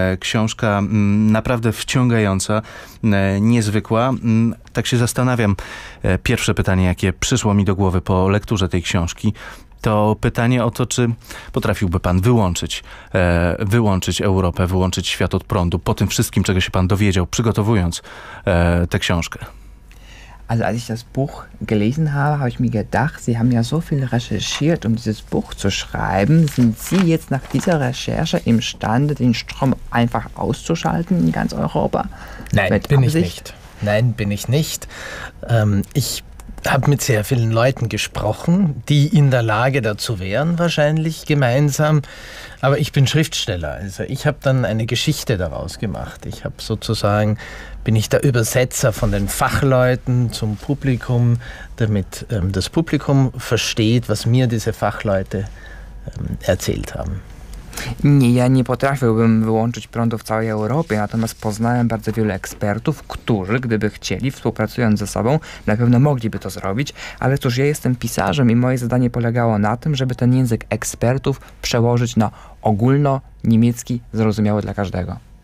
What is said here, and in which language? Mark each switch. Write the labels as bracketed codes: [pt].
[pl] Książka naprawdę wciągająca, niezwykła. Tak się zastanawiam. Pierwsze pytanie, jakie przyszło mi do głowy po lekturze tej książki, to pytanie o to, czy potrafiłby pan wyłączyć Europę, wyłączyć świat od prądu po tym wszystkim, czego się pan dowiedział, przygotowując tę książkę. [de] Also als ich das Buch gelesen habe, habe ich mir gedacht, Sie haben ja so viel recherchiert, um dieses Buch zu schreiben. Sind Sie jetzt nach dieser Recherche imstande, den Strom einfach auszuschalten in ganz Europa? Nein, mit bin Absicht? Ich nicht. Nein, bin ich nicht. Ich habe mit sehr vielen Leuten gesprochen, die in der Lage dazu wären, wahrscheinlich gemeinsam. Aber ich bin Schriftsteller, also ich habe dann eine Geschichte daraus gemacht. Ich habe sozusagen, bin ich der Übersetzer von den Fachleuten zum Publikum, damit das Publikum versteht, was mir diese Fachleute erzählt haben. [pl] Nie, ja nie potrafiłbym wyłączyć prądu w całej Europie, natomiast poznałem bardzo wielu ekspertów, którzy gdyby chcieli, współpracując ze sobą, na pewno mogliby to zrobić, ale cóż, ja jestem pisarzem i moje zadanie polegało na tym, żeby ten język ekspertów przełożyć na ogólnoniemiecki, zrozumiały dla każdego.